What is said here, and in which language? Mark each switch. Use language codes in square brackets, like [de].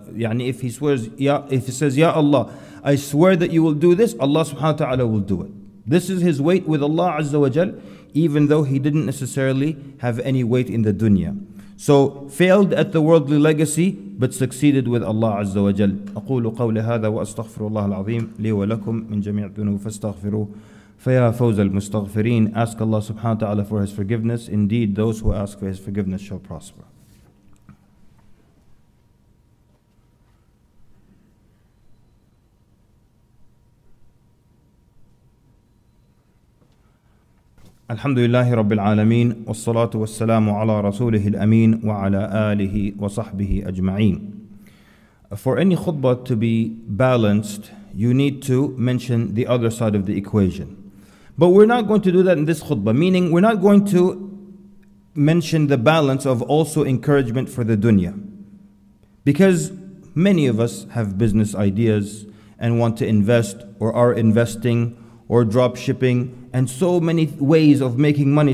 [en] Yani if he swears, if he says, Ya Allah, I swear that you will do this, Allah subhanahu wa ta'ala will do it. This is his weight with Allah Azza wa Jal, even though he didn't necessarily have any weight in the dunya. So failed at the worldly legacy, but succeeded with Allah Azza wa Jal. [ar] أقول قول هذا وأستغفر الله العظيم لي ولكم من جميع الذنوب فاستغفروا فيا فوز المستغفرين. [en] Ask Allah subhanahu wa ta'ala for his forgiveness. Indeed, those who ask for his forgiveness shall prosper. [ar] الحمد لله رب العالمين والصلاة والسلام على رسوله الأمين وعلى آله وصحبه أجمعين. [en] For any khutbah to be balanced, you need to mention the other side of the equation. But we're not going to do that in this khutbah, meaning we're not going to mention the balance of also encouragement for the dunya. Because many of us have business ideas and want to invest or are investing or drop shipping and so many ways of making money.